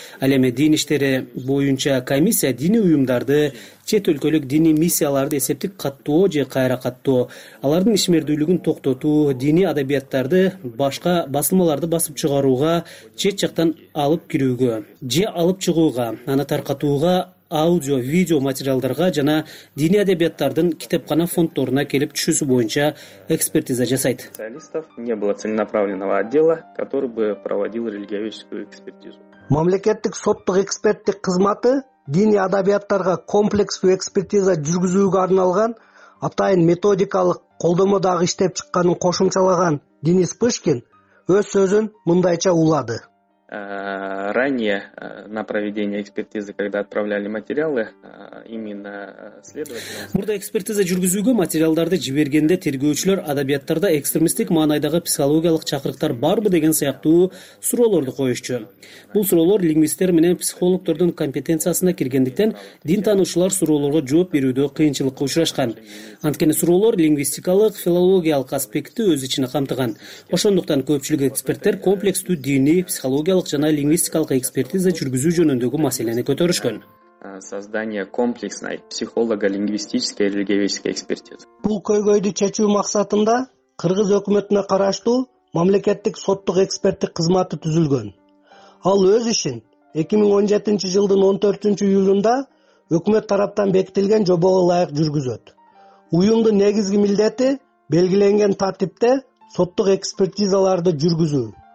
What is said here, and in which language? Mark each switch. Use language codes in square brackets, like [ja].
[ky] Ал эми дин иштери боюнча комиссия диний уюмдарды, чет өлкөлүк диний миссияларды эсептик каттоо же кайра каттоо, алардын ишмердүүлүгүн токтотуу, диний адабияттарды башка басылмаларды басып чыгарууга, чет жактан алып кирүүгө же алып чыгууга, аны таркатууга аудио, видео материалдарга жана диний адабияттардын китепкана фонддоруна келип түшүүсү боюнча экспертиза жасайт. [ru] Не было целенаправленного отдела, который бы проводил религиоведческую экспертизу. [ky] Мамлекеттик соттук эксперттик кызматы диний адабияттарга комплекстүү экспертиза жүргүзүүгө арналган атайын методикалык колдомо дагы иштеп чыкканын кошумчалаган Денис Пышкин өз сөзүн мындайча улады. [ru] Ранее на проведение экспертизы, когда отправляли материалы, именно следователи. [ky] Мурда экспертиза жүргүзүүгө материалдарды жибергенде тергөөчүлөр адабияттарда экстремисттик маанайдагы психологиялык чакырыктар барбы деген сыяктуу суроолорду коюшчу. Бул суроолор лингвисттер менен психологдордун компетенциясына киргендиктен, дин таануучулар суроолорго жооп берүүдө кыйынчылыкка учурашкан. Анткени суроолор лингвистикалык, филологиялык аспектти өз ичине камтыган. Ошондуктан көпчүлүк эксперттер комплекстүү диний, психологиялык жана лингвистикалык экспертиза жүргүзүү жөнүндөгү маселени көтөрүшкөн. [ru] создание комплексной психолого-лингвистической и религиозной экспертизы. [ky] Бул көйгөйдү чечүү максатында кыргыз өкмөтүнө караштуу мамлекеттик соттук эксперттик кызматы түзүлгөн. Ал өз ишин 2017 жылдын 14 июлунда өкмөт тараптан бекитилген жобого ылайык жүргүзөт. Уюмдун негизги милдети белгиленген тартипте соттук экспертизаларды жүргүзүү.